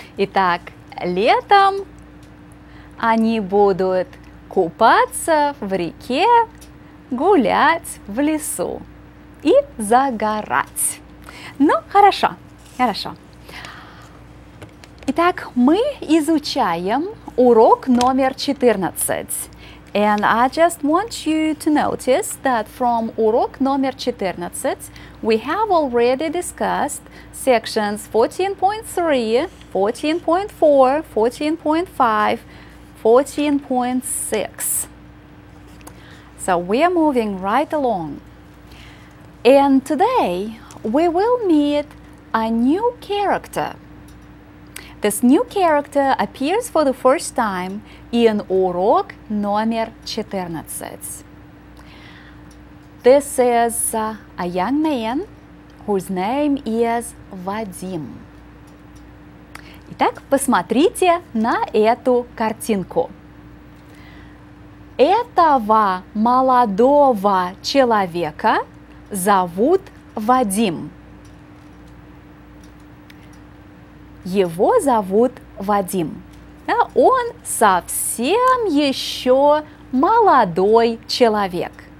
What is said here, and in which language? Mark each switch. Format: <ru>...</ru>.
<ru>Итак, летом они будут купаться в реке, гулять в лесу и загорать. Ну, хорошо, хорошо. Итак, мы изучаем урок номер 14.</ru> <en>And I just want you to notice that from</en> <ru>урок номер 14,</ru> <en>we have already discussed sections 14.3, 14.4, 14.5, 14.6. So we are moving right along. And today we will meet a new character. This new character appears for the first time in</en> <ru>урок номер 14.</ru> <en>This is a young man whose name is Вадим.</en> <ru>Итак, посмотрите на эту картинку. Этого молодого человека зовут Вадим. Его зовут Вадим. Да, он совсем еще молодой человек.</ru>